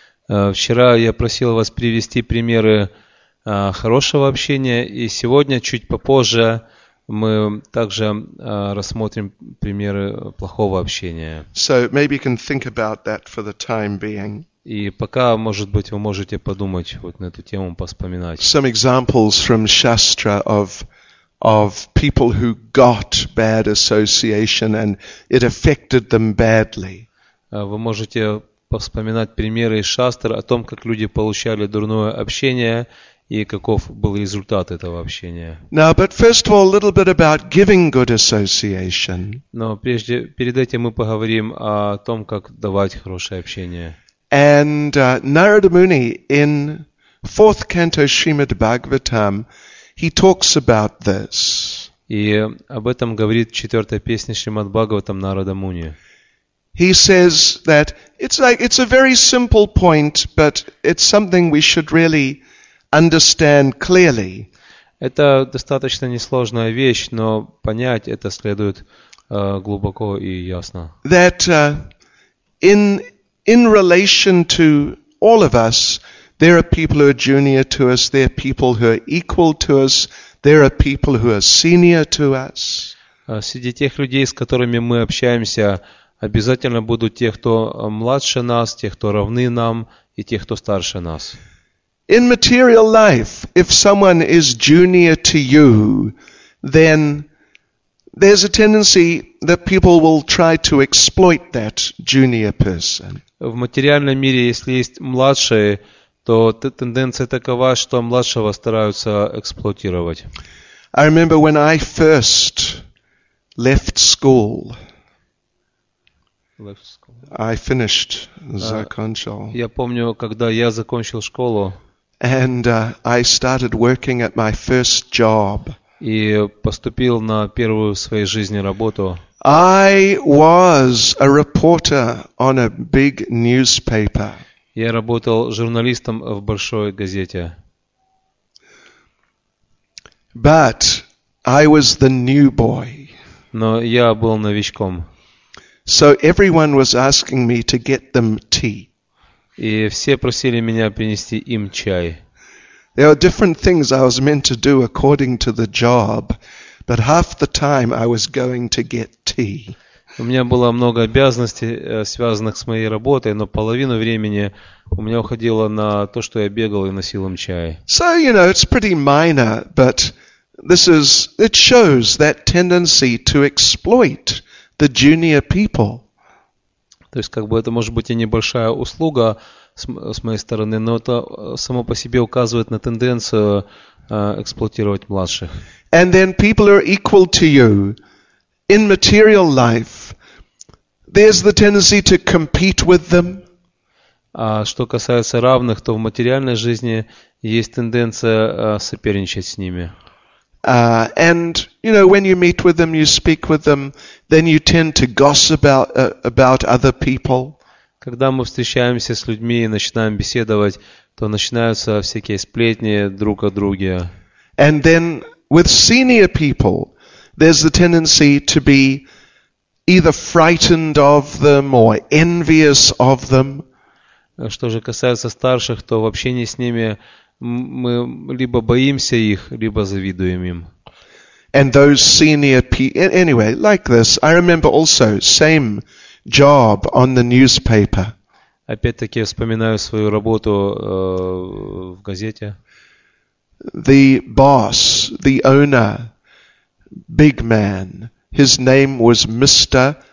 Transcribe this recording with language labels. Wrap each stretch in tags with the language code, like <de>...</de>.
<ru>Вчера я просил вас привести примеры хорошего общения, и сегодня чуть попозже мы также рассмотрим примеры плохого общения.</ru> <en>So maybe you can think about that for the time being.</en> <ru>И пока, может быть, вы можете подумать вот на эту тему, повспоминать.</ru> <en>Some examples from Shastra of people who got bad association and it affected them badly.</en> <ru>Вы можете повспоминать примеры из Шастры о том, как люди получали дурное общение и каков был результат этого общения.</ru> <en>Now, but first of all, a little bit about giving good association.</en> <ru>Но прежде, перед этим мы поговорим о том, как давать хорошее общение.</ru> <en>And Narada Muni in 4th canto Srimad Bhagavatam, he talks about this.</en> <ru>И об этом говорит 4-я песня Шримад Бхагаватам Нарада Муни.</ru> <en>He says that it's a very simple point, but it's something we should really understand clearly.</en> <ru>Это достаточно несложная вещь, но понять это следует глубоко и ясно.</ru> <en>That in relation to all of us, there are people who are junior to us, there are people who are equal to us, there are people who are senior to us.</en> <ru>Среди тех людей, с которыми мы общаемся, обязательно будут те, кто младше нас, те, кто равны нам, и те, кто старше нас.</ru> <en>In material life, if someone is junior to you, then there's a tendency that people will try to exploit that junior person.</en> <ru>В материальном мире, если есть младшие, то тенденция такова, что младшего стараются эксплуатировать.</ru> <en>I remember when I first left school. I finished</en> <ru>закончил. Я помню, когда я закончил школу.</ru> <en>And I started working at my first job.</en> <ru>И поступил на первую в своей жизни работу.</ru> <en>I was a reporter on a big newspaper.</en> <ru>Я работал журналистом в большой газете.</ru> <en>But I was the new boy.</en> <ru>Но я был новичком.</ru> <en>So everyone was asking me to get them tea.</en> <ru>И все просили меня принести им чай.</ru> <en>There were different things I was meant to do according to the job, but half the time I was going to get tea.</en> <ru>У меня было много обязанностей, связанных с моей работой, но половину времени у меня уходило на то, что я бегал и носил им чай.</ru> <en>So, you know, it's pretty minor, but it shows that tendency to exploit the junior people.</en> <ru>То есть, как бы это может быть и небольшая услуга с моей стороны, но это само по себе указывает на тенденцию эксплуатировать младших.</ru> <en>And then people are equal to you. In material life, there's the tendency to compete with them.</en> <ru>А что касается равных, то в материальной жизни есть тенденция соперничать с ними.</ru> <en>And you know, when you meet with them, you speak with them, then you tend to gossip about other people.</en> <ru>Когда мы встречаемся с людьми и начинаем беседовать, то начинаются всякие сплетни друг о друге.</ru> <en>And then with senior people, there's the tendency to be either frightened of them or envious of them.</en> <ru>Что же касается старших, то в общении с ними мы либо боимся их, либо завидуем им.</ru> <en>And those senior anyway, like this, I remember also same job on the newspaper.</en> <ru>Опять-таки вспоминаю свою работу в газете.</ru> <en>The boss, the owner, big man, his name was Mr.</en>